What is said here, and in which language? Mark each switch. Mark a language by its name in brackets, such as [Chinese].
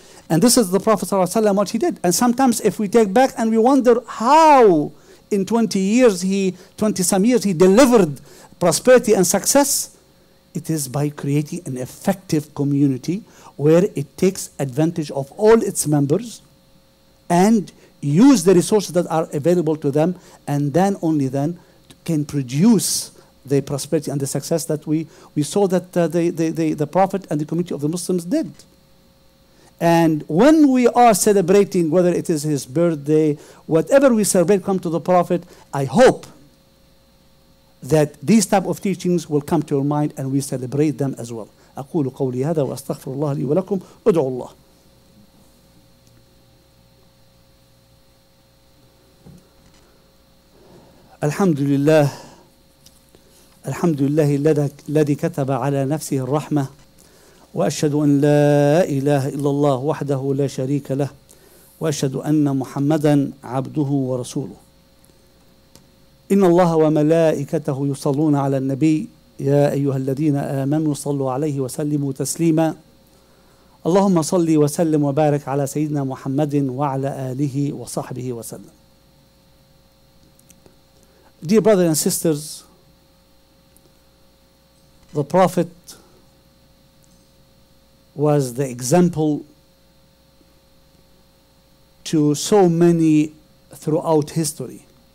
[English] And this is the Prophet Sallallahu Alaihi Wasallam, what he did. And sometimes if we take back and we wonder how in 20 years, he 20 some years, he delivered prosperity and success, it is by creating an effective community where it takes advantage of all its members and use the resources that are available to them, and then only then can produce the prosperity and the success that we saw that the Prophet and the community of the Muslims did. And when we are celebrating, whether it is his birthday, whatever we celebrate, come to the Prophet, I hope that these type of teachings will come to your mind and we celebrate them as well. [Arabic] أقول قولي هذا وأستغفر الله لي ولكم أدعو الله. الحمد لله الحمد لله الذي كتب على نفسه الرحمة وأشهد أن لا إله إلا الله وحده لا شريك له وأشهد أن محمدا عبده ورسوله. إن الله وملائكته يصلون على النبي يا أيها الذين آمنوا صلوا عليه وسلموا تسليما. اللهم صل وسلم وبارك على سيدنا محمد وعلى آله وصحبه وسلم. [English] Dear brothers and sisters, the Prophet was the example to so many throughout history.